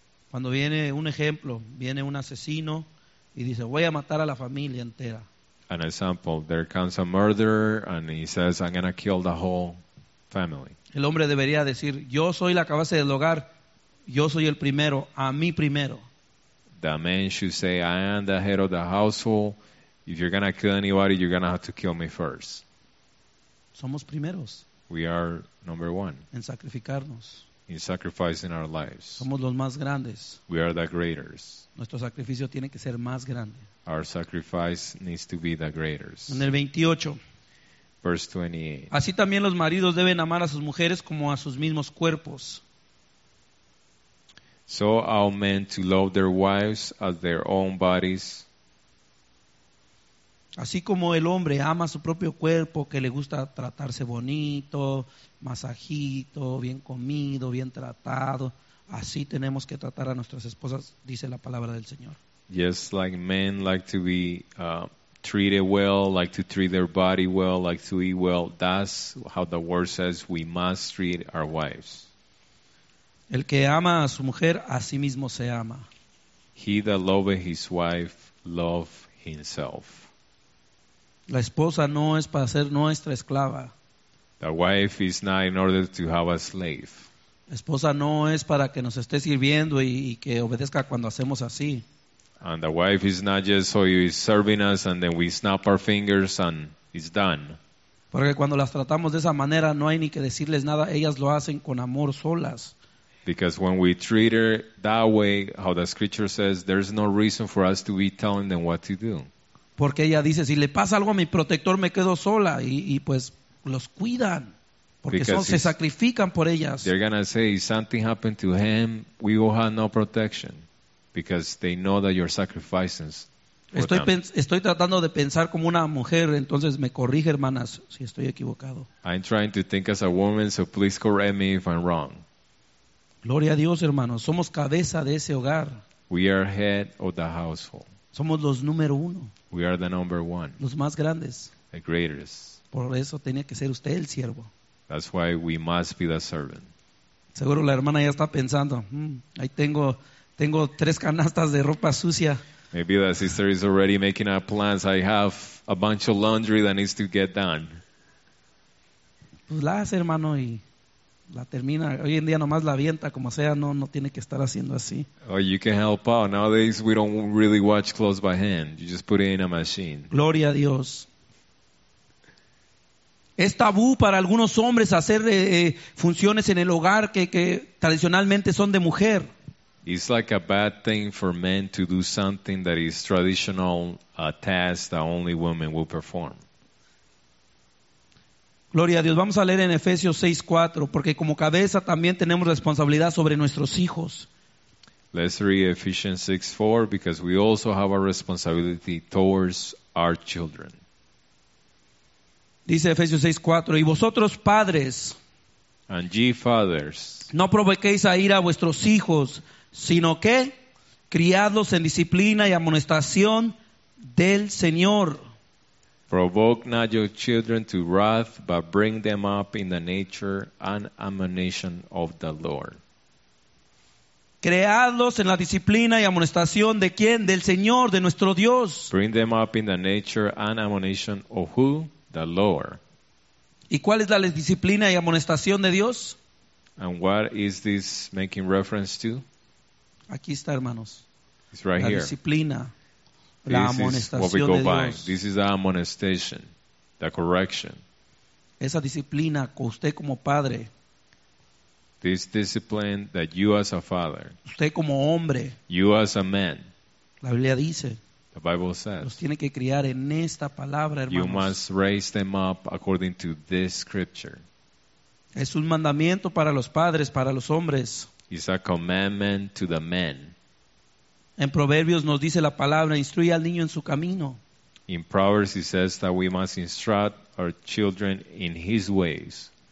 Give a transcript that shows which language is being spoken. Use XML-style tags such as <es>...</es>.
<es>Cuando viene un ejemplo, viene un asesino y dice, voy a matar a la familia entera.</es> <en>An example, there comes a murderer and he says, I'm going to kill the whole family.</en> <es>El hombre debería decir, yo soy la cabeza del hogar, yo soy el primero, a mí primero.</es> <en>The man should say, I am the head of the household. If you're going to kill anybody, you're going to have to kill me first.</en> <es>Somos primeros.</es> <en>We are number one.</en> <es>En sacrificarnos.</es> <en>In sacrificing our lives.</en> <es>Somos los más grandes.</es> <en>We are the greatest.</en> <es>Nuestro sacrificio tiene que ser más grande.</es> <en>Our sacrifice needs to be the greatest.</en> <es>En el 28.</es> <en>Verse 28.</en> <es>Así también los maridos deben amar a sus mujeres como a sus mismos cuerpos.</es> <en>So ought men to love their wives as their own bodies.</en> <es>Así como el hombre ama su propio cuerpo, que le gusta tratarse bonito, masajito, bien comido, bien tratado, así tenemos que tratar a nuestras esposas, dice la palabra del Señor.</es> <en>Yes, like men like to be treat it well, like to treat their body well, like to eat well. That's how the word says we must treat our wives.</en> <es>El que ama a su mujer, a sí mismo se ama.</es> <en>He that loveth his wife, love himself.</en> <es>La esposa no es para ser nuestra esclava.</es> <en>The wife is not in order to have a slave.</en> <es>La esposa no es para que nos esté sirviendo y que obedezca cuando hacemos así.</es> <en>And the wife is not just so he is serving us and then we snap our fingers and it's done.</en> <es>Porque cuando las tratamos de esa manera no hay ni que decirles nada, ellas lo hacen con amor solas.</es> <en>Because when we treat her that way, how the scripture says, there's no reason for us to be telling them what to do.</en> <es>Porque ella dice, si le pasa algo a mi protector me quedo sola y pues los cuidan. Porque son, se sacrifican por ellas.</es> <en>They're going to say, if something happened to him, we will have no protection. Because they know that you're sacrificing.</en> <es>Estoy tratando de pensar como una mujer, entonces me corrige, hermanas, si estoy equivocado.</es> <en>I'm trying to think as a woman, so please correct me if I'm wrong.</en> <es>Gloria a Dios, hermanos. Somos cabeza de ese hogar.</es> <en>We are head of the household.</en> <es>Somos los número uno.</es> <en>We are the number one.</en> <es>Los más grandes.</es> <en>The greatest.</en> <es>Por eso tenía que ser usted el siervo.</es> <en>That's why we must be the servant.</en> <es>Seguro la hermana ya está pensando, ahí tengo... Tengo tres canastas de ropa sucia.</es> <en>Maybe the sister is already making up plans. I have a bunch of laundry that needs to get done.</en> <es>Pues las, hermano, y La termina. Hoy en día nomás la avienta como sea, no tiene que estar haciendo así.</es> <en>Oh, you can help out. Nowadays we don't really watch clothes by hand. You just put it in a machine.</en> <es>Gloria a Dios.</es> <en>Es tabú para algunos hombres hacer funciones en el hogar que tradicionalmente son de mujer. It's like a bad thing for men to do something that is traditional, a task that only women will perform.</en> <es>Gloria a Dios. Vamos a leer en Efesios 6:4, porque como cabeza también tenemos responsabilidad sobre nuestros hijos.</es> <en>Let's read Ephesians 6:4, because we also have a responsibility towards our children.</en> <es>Dice Efesios 6:4, y vosotros padres,</es> <en>and ye fathers,</en> <es>no provoquéis a ira a vuestros hijos, sino que criadlos en disciplina y amonestación del Señor.</es> <en>Provoke not your children to wrath, but bring them up in the nature and admonition of the Lord.</en> <es>Creadlos en la disciplina y amonestación de quién? Del Señor, de nuestro Dios.</es> <en>Bring them up in the nature and admonition of who? The Lord.</en> <es>¿Y cuál es la disciplina y amonestación de Dios?</es> <en>And what is this making reference to?</en> <es>Aquí está, hermanos.</es> <en>It's right</en> <es>la</es> <en>here.</en> <es>La disciplina. La amonestación de Dios.</es> <en>This is the amonestation, the correction.</en> <es>Esa disciplina con usted como padre.</es> <en>This discipline that you as a father.</en> <es>Usted como hombre.</es> <en>You as a man.</en> <es>La Biblia dice.</es> <en>The Bible says.</en> <es>Los tiene que criar en esta palabra, hermanos.</es> <en>You must raise them up according to this scripture.</en> <es>Es un mandamiento para los padres, para los hombres.</es> <en>It's a commandment to the men.</en> <es>En Proverbios nos dice la palabra, instruye al niño en su camino.</es> <en>In Proverbs it says that we must instruct our children in his ways.</en>